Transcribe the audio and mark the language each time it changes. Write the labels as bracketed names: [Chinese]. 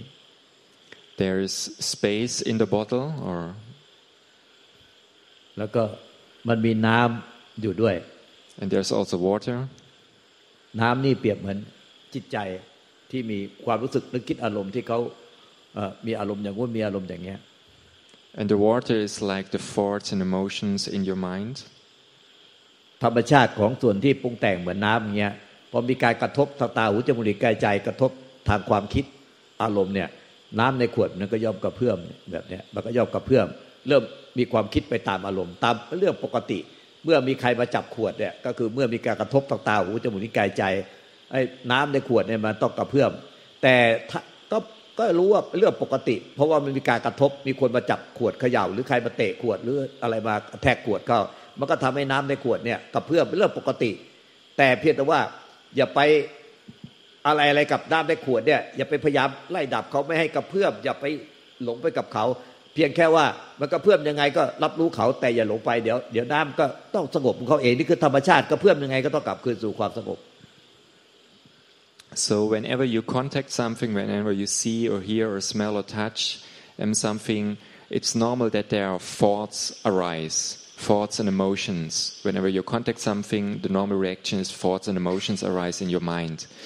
[English] there is space in the bottle or [Thai] แล้วก็มันมีน้ำอยู่ด้วย [English] and there's also water [Thai] น้ำนี่เปรียบเหมือนจิตใจที่มีความรู้สึกนึกคิดอารมณ์ที่เขามีอารมณ์อย่างนู้นมีอารมณ์อย่างเงี้ย [English] And the water is like the thoughts and emotions in your mind. [Thai] ธรรมชาติของส่วนที่ปรุงแต่งเหมือนน้ำเงี้ยพอมีการกระทบตาหูจมูกลิ้นกายใจกระทบทางความคิดอารมณ์เนี่ยน้ำในขวดมันก็ย่อมกระเพื่อมแบบเนี้ยมันก็ย่อมกระเพื่อมเริ่มมีความคิดไปตามอารมณ์ตามเรื่องปกติเมื่อมีใครมาจับขวดเนี่ยก็คือเมื่อมีการกระทบตาหูจมูกลิ้นกายใจไอ้น้ำในขวดเนี่ยมันต้องกระเพื่อมแต่ ก็รู้ว่าเรื่องปกติเพราะว่ามันมีการกระทบมีคนมาจับขวดเขย่าหรือใครมาเตะขวดหรืออะไรมาแทกขวดก็มันก็ทำให้น้ำในขวดเนี่ยกระเพื่อมเป็นเรื่องปกติแต่เพียงแต่ว่าอย่าไปอะไรอะไรกับน้ำในขวดเนี่ยอย่าไปพยายามไล่ดับเขาไม่ให้กระเพื่อมอย่าไปหลงไปกับเขาเพียงแค่ว่ามันกระเพื่อมยังไงก็รับรู้เขาแต่อย่าหลงไปเดี๋ยวน้ำก็ต้องสงบของเขาเองนี่คือธรรมชาติกระเพื่อมยังไงก็ต้องกลับคืนสู่ความสงบ [English] So whenever you contact something, whenever you see or hear or smell or touch something, it's normal that there are thoughts arise, thoughts and emotions. Whenever you contact something, the normal reaction is thoughts and emotions arise in your mind.